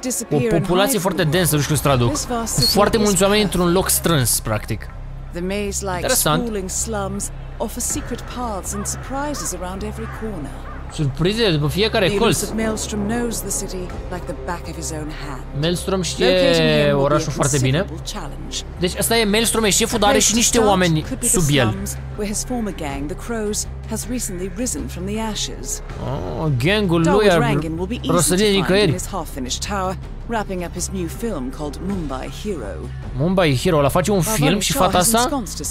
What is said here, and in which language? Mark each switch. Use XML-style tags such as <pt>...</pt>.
<ro>O populație foarte densă, nu știu cum se traduc. Foarte mulți oameni într-un loc strâns, practic.</ro> <en>The maze-like sprawling slums offer secret paths and surprises around every corner.</en> <ro>Surprize după fiecare colț.</ro> <en>Maelstrom knows the city like the back of his own hand.</en> <ro>Maelstrom știe orașul foarte bine. Deci asta e, Maelstrom e șeful, dar are și niște oameni sub el.</ro> <en>Gang, the Crows, has recently risen from the ashes.</en> <ro>Gangul lui a răsărit din nicăieri.</ro> <en>Wrapping up his new film called Mumbai Hero.</en> <ro>Mumbai Hero, ăla face un film și fata asta?</ro>